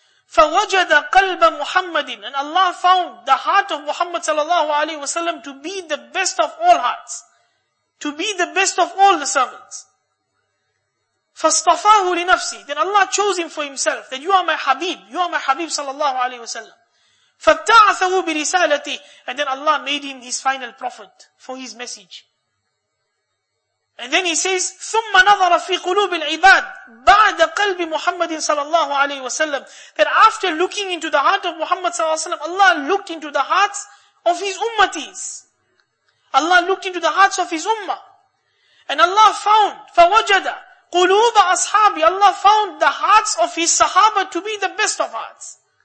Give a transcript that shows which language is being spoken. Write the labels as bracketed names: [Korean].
[Arabic] فَوَجَدَ قَلْبَ مُحَمَّدٍ. [English] And Allah found the heart of Muhammad sallallahu alayhi wa sallam to be the best of all hearts, to be the best of all the servants. [Arabic] فَاصْطَفَاهُ لِنَفْسِهِ. [English] Then Allah chose him for himself, that you are my Habib, you are my Habib sallallahu alayhi wa sallam. [Arabic] فَابْتَعَثَهُ بِرِسَالَتِهِ. [English] And then Allah made him his final prophet for his message. And then he says, [Arabic] ثُمَّ نَظَرَ فِي قُلُوبِ الْعِبَادِ بَعْدَ قَلْبِ مُحَمَّدٍ صَلَى اللَّهُ عَلَيْهِ وَسَلَّمْ. [English] That after looking into the heart of Muhammad صلى الله عليه وسلم, Allah looked into the hearts of his ummatis. Allah looked into the hearts of his ummah. And Allah found, [Arabic] فَوَجَدَ قُلُوبَ أَصْحَابِ. [English] Allah found the hearts of his sahaba to be the best of hearts.